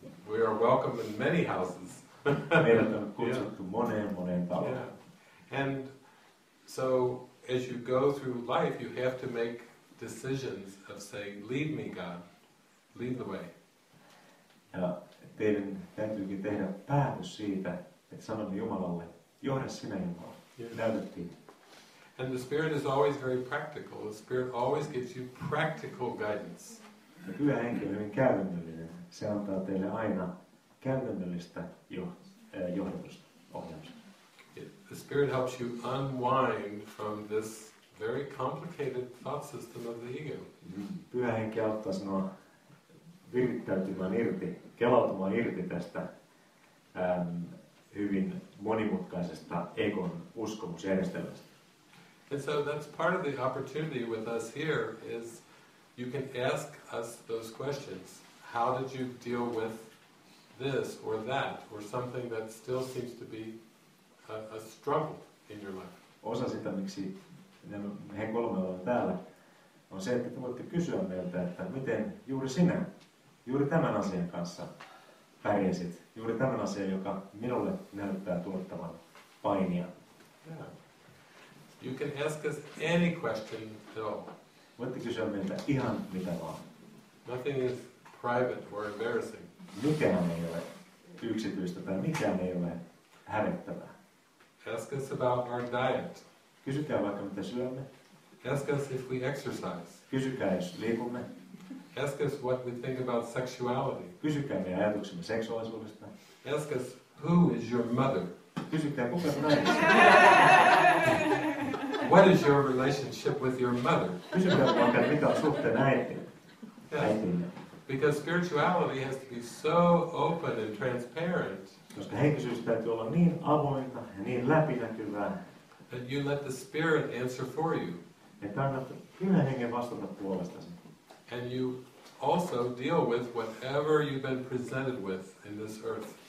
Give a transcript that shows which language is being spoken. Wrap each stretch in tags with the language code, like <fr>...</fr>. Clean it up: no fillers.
<en>We are welcome in many houses.</en> <fi>Meidät on kutsuttu moneen taloon.</fi> <en>Yeah. And so, as you go through life, you have to make decisions of saying, lead me, God. Lead the way.</en> <fi>Ja teidän täytyykin tehdä päätös siitä, että sanomme Jumalalle, johda sinä, Jumala.</fi> <en>Yes.</en> <fi>Näytettiin.</fi> <en>And the Spirit is always very practical. The Spirit always gives you practical guidance.</en> <fi>Ja pyhä henki on hyvin käytännöllinen. Se antaa teille aina käytännöllistä johdatusta, ohjausta.</fi> <en>The Spirit helps you unwind from this very complicated thought system of the ego.</en> <fi>Pyhä henki auttaa sinua virittäytymään irti, kelautumaan irti tästä hyvin monimutkaisesta egon uskomusjärjestelmästä.</fi> <en>And so that's part of the opportunity with us here is you can ask us those questions. How did you deal with this or that or something that still seems to be a struggle in your life?</en> <fi>Osa sitä, miksi he kolme ovat täällä, on se, että te voitte kysyä meiltä, että miten juuri sinä, juuri tämän asian kanssa pärjäsit, juuri tämän asian, joka minulle näyttää tuottavan painia.</fi> <en>Yeah. You can ask us any question at all.</en> <fi>Voitte kysyä meiltä ihan mitä vaan.</fi> <en>Nothing is private or embarrassing.</en> <fi>Mikään ei ole yksityistä tai mikään ei ole hävettävää.</fi> <en>Ask us about our diet.</en> <fi>Kysykää vaikka mitä syömme.</fi> <en>Ask us if we exercise.</en> <fi>Kysykää jos liikumme.</fi> <en>Ask us what we think about sexuality.</en> <fi>Kysykää meidän ajatuksemme seksuaalisuudesta.</fi> <en>Ask us who is your mother.</en> <fi>Kysykää kuka sinä olet.</fi> <en>What is your relationship with your mother?</en> <fi>Kysykää vaikka mitä on suhteen äitiin.</fi> <en>Because spirituality has to be so open and transparent.</en> <fi>Koska henkisyys täytyy olla niin avointa ja niin läpinäkyvää.</fi> <en>That you let the spirit answer for you.</en> <fi>Että annat pyhän hengen vastata puolestasi.</fi> <en>And you also deal with whatever you've been presented with in this earth.</en>